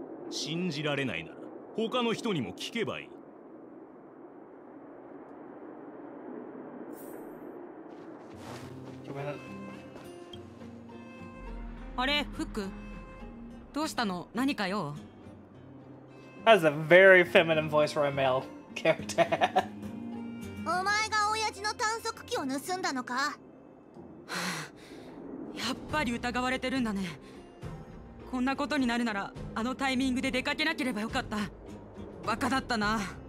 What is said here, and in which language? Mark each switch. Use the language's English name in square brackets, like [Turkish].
[Japanese] 信じられないなら他の人にも聞けばいい。あれ、フック、どうしたの？何かよ。 [English] That is a very feminine voice for a male character. [Japanese] お前が親父の探索機を盗んだのか？やっぱり疑われてるんだね。こんなことになるならあのタイミングで出かけなければよかった。バカだったな。